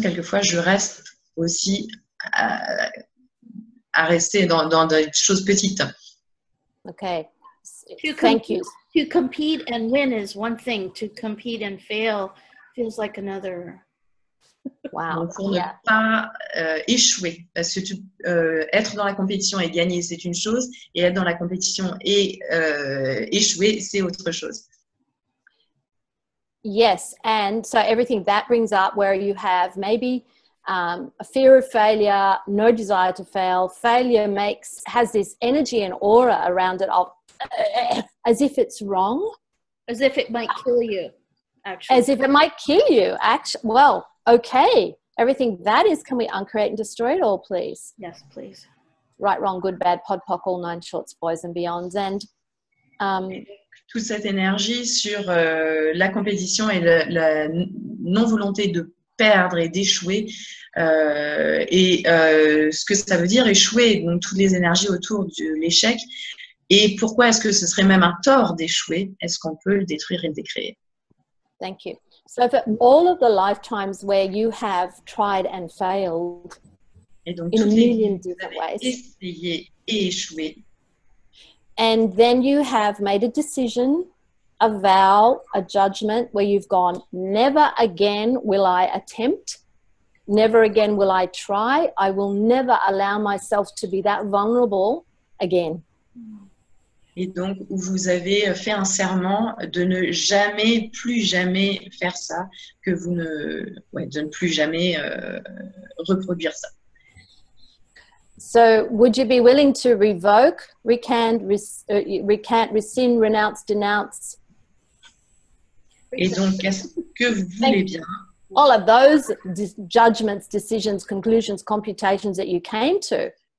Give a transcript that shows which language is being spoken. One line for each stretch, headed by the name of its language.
French: Quelquefois, je reste aussi. À rester dans des choses petites.
English: Okay. Thank you. To compete and win is one thing. To compete and fail feels like another. Wow.
French: Donc pour ne pas échouer, parce que être dans la compétition et gagner, c'est une chose, et être dans la compétition et échouer, c'est autre chose.
English: Yes, and so everything that brings up where you have maybe... a fear of failure, no desire to fail. Failure has this energy and aura around it of as if it's wrong. As if it might kill you, actually. As if it might kill you, actually. Well, okay. Everything that is, can we uncreate and destroy it all, please? Yes, please. Right, wrong, good, bad, podpoc, all nine shorts, boys and beyonds. And
French: toute cette énergie sur la compétition et la non-volonté de perdre et d'échouer ce que ça veut dire échouer, donc toutes les énergies autour de l'échec et pourquoi est-ce que ce serait même un tort d'échouer, est-ce qu'on peut le détruire et le décréer?
English: Thank you. So for all of the lifetimes where you have tried and failed
French: et donc,
English: in a million different ways,
French: essayé et échoué,
English: and then you have made a decision, a vow, a judgment where you've gone, never again will I attempt, never again will I try, I will never allow myself to be that vulnerable again.
French: Et donc, vous avez fait un serment de ne jamais, plus jamais faire ça, que vous ne, ouais, de ne plus jamais reproduire ça.
English: So, would you be willing to revoke, recant, rescind, renounce, denounce,
French: Et donc, qu'est-ce que vous voulez bien?
English: All of those judgments, decisions, conclusions, computations that you came to.